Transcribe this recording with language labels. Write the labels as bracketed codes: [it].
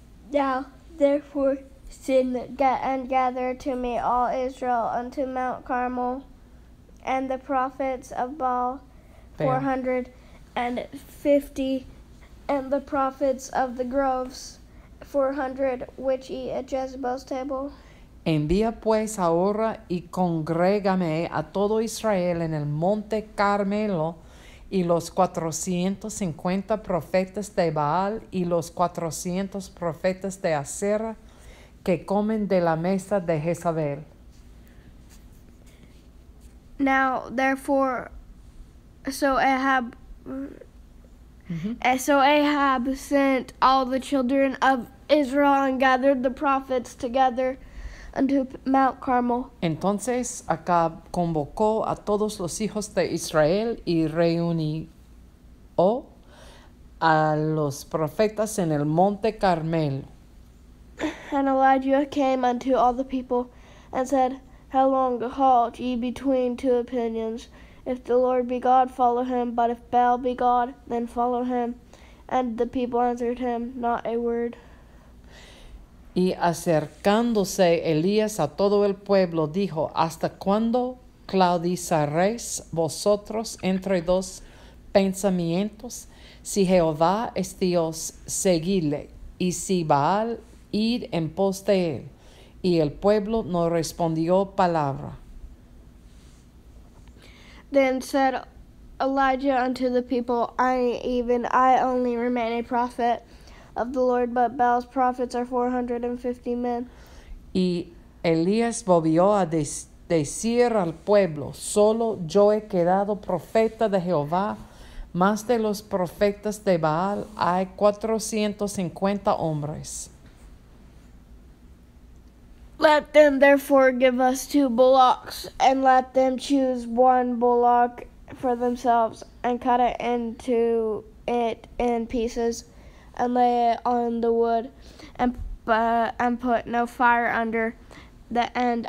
[en] Now, therefore, send and gather to me all Israel unto Mount Carmel and the prophets of Baal, 450, and the prophets of the groves, 400, which eat at Jezebel's table. [es] Envía pues ahora y congrégame a todo Israel en el monte Carmelo y los 450 profetas de Baal y los 400 profetas de Acera que comen de la mesa de Jezabel. [en] Now, therefore, so Ahab sent all the children of Israel and gathered the prophets together unto Mount Carmel. [es] Entonces Acab convocó a todos los hijos de Israel y reunió a los profetas en el monte Carmel. [en] And Elijah came unto all the people and said, how long halt ye between two opinions? If the Lord be God, follow him, but if Baal be God, then follow him. And the people answered him not a word. [es] Y acercándose Elías a todo el pueblo, dijo, ¿hasta cuándo claudicaréis vosotros entre dos pensamientos? Si Jehová es Dios, seguidle, y si Baal, id en pos de él. Y el pueblo no respondió palabra. [en] Then said Elijah unto the people, I only remain a prophet of the Lord, but Baal's prophets are 450 men. [es] Y Elías volvió a decir al pueblo, solo yo he quedado profeta de Jehová, más de los profetas de Baal hay 450 hombres. [en] Let them therefore give us two bullocks, and let them choose one bullock for themselves, and cut it into it in pieces, and lay it on the wood, and put no fire under the end.